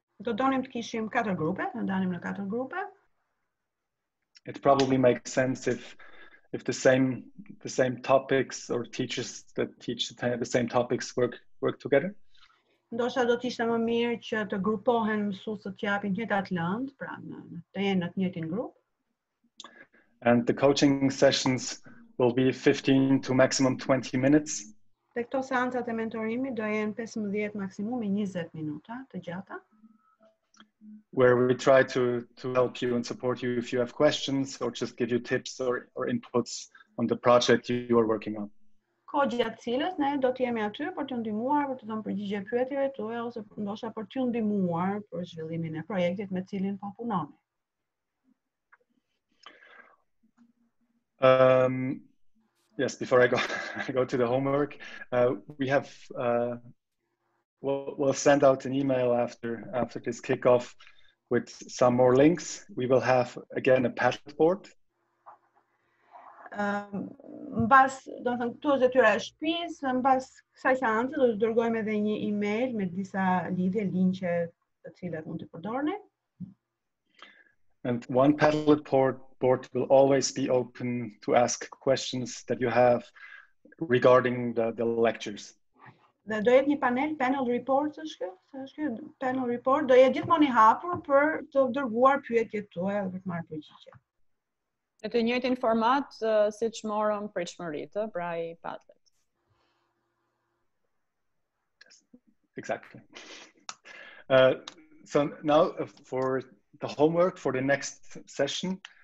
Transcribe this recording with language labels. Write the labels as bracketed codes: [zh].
[sq] Do donim të kishim katër grupe, do ndanim në katër grupe. [en] It probably makes sense if the same topics or teachers that teach the same topics work together. [sq] Ndoshta do të ishte më mirë që të grupohen mësuesët që japin të njëjtat lëndë, pra të jenë në të njëjtin grup. [en] And the coaching sessions will be 15 to maximum 20 minutes. [sq] Dhe këto seancat e mentorimit do jenë 15 maksimumi 20 minuta të gjata. [en] Where we try to help you and support you if you have questions or just give you tips or inputs on the project you are working on. [sq] Ko gjatë cilës ne do të jemi aty për t'ju ndihmuar, për të dhënë përgjigje pyetjeve tuaja ose ndoshta për t'ju ndihmuar për zhvillimin e projektit me cilin po punoni. [en] Yes, before I go to the homework, we have we'll send out an email after this kickoff with some more links. We will have again a Padlet board. [sq] mbas, do të thënë, këtu është detyra e shtëpisë, mbas kësaj seance do të dërgojmë edhe një email me disa lidhje, linqe të cilat mund të përdorni. [en] And one Padlet board will always be open to ask questions that you have regarding the lectures. [sq] Dhe do jetë një panel report, është kjo panel report, do jetë gjithmonë i hapur për të dërguar pyetjet tuaja dhe për të marrë përgjigje. Në të njëjtin format siç morëm pritshmëritë, pra i Padlet. [en] Exactly. So now for the homework for the next session.